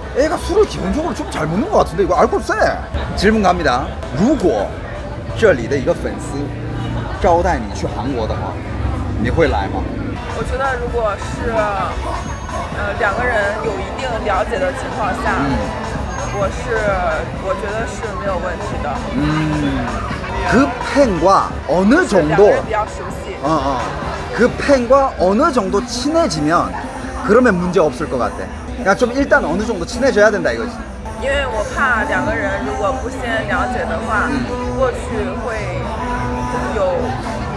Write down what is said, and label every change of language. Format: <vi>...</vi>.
<ko>애가 술을 기본적으로 좀 잘 먹는 것 같은데 이거 알코올 세. 질문 갑니다.</ko> <zh>如果这里的一个粉丝招待你去韩国的话，你会来吗？我觉得如果是。两个人有一定了解的情况下，我觉得是没有问题的。嗯， 그 팬과</zh> <ko>어느 정도</ko> <zh>两个人比较熟悉。 그</zh> <ko>팬과 어느 정도 친해지면 그러면 문제 없을 것 같아. 그러니까 좀 일단 어느 정도 친해져야 된다 이거지.</ko> <zh>因为我怕两个人如果不先了解的话，过去会有。</zh>